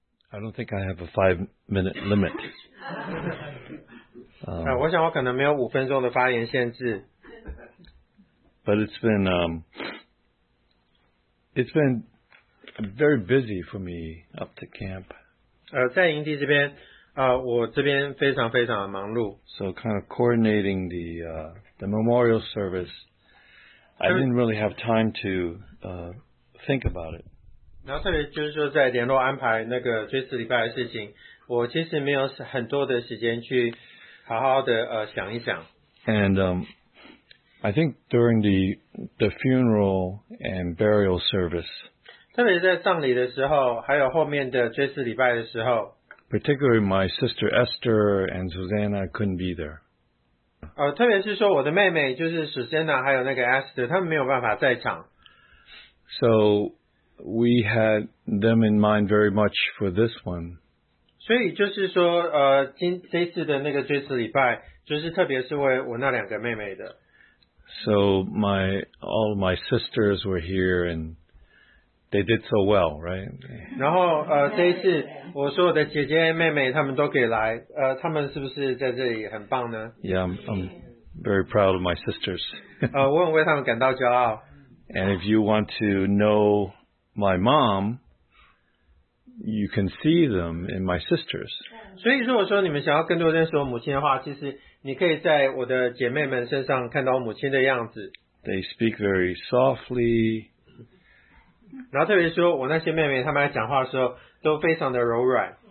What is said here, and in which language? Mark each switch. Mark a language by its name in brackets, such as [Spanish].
[English] I don't think I have a five-minute limit. [Chinese] 我想我可能没有五分钟的发言限制。 [English] But it's been very busy for me up to camp. [Chinese] 在营地这边，我这边非常非常的忙碌。 [English] So kind of coordinating the memorial service, I didn't really have time to think about it. [Chinese] 然后特别就是说在联络安排那个追思礼拜的事情，我其实没有很多的时间去好好的想一想。 [English] And I think during the funeral and burial service, [Chinese] 特别在葬礼的时候，还有后面的追思礼拜的时候 [English] ，particularly my sister Esther and Susanna couldn't be there. [Chinese] 特别是说我的妹妹就是 Susanna 还有那个 Esther， 他们没有办法在场。 [English] So. We had them in mind very much for this one. [Chinese] 所以就是说，这次的那个追思礼拜，就是特别是为我那两个妹妹的。 [English] So all my sisters were here, and they did so well, right? [Chinese] 然后这一次我所有的姐姐妹妹他们都可以来，他们是不是在这里很棒呢 [English] ？Yeah, I'm very proud of my sisters. [Chinese] 我很为他们感到骄傲。 [English] And if you want to know. My mom, you can see them in my sisters. [Chinese] 所以如果说你们想要更多认识我母亲的话，其实你可以在我的姐妹们身上看到母亲的样子。 [English] They speak very softly. [Chinese] 然后特别说我那些妹妹她们在讲话的时候都非常的柔软。